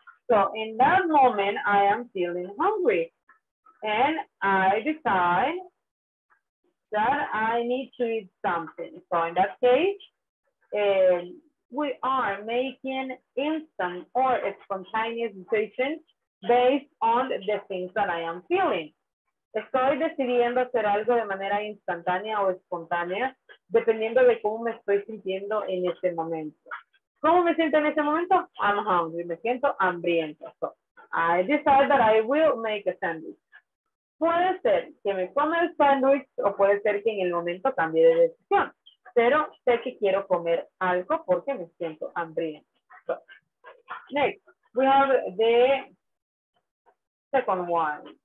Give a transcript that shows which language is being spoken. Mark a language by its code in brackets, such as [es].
[en] So in that moment, I am feeling hungry and I decide that I need to eat something. So in that case, we are making instant or spontaneous decisions based on the things that I am feeling. [es] Estoy decidiendo hacer algo de manera instantánea o espontánea, dependiendo de cómo me estoy sintiendo en este momento. ¿Cómo me siento en este momento? [en] I'm hungry. [es] Me siento hambriento. [en] So, I decide that I will make a sandwich. [es] Puede ser que me coma el sandwich o puede ser que en el momento cambie de decisión. Pero sé que quiero comer algo porque me siento hambriento. [en] So, next, we have the second one.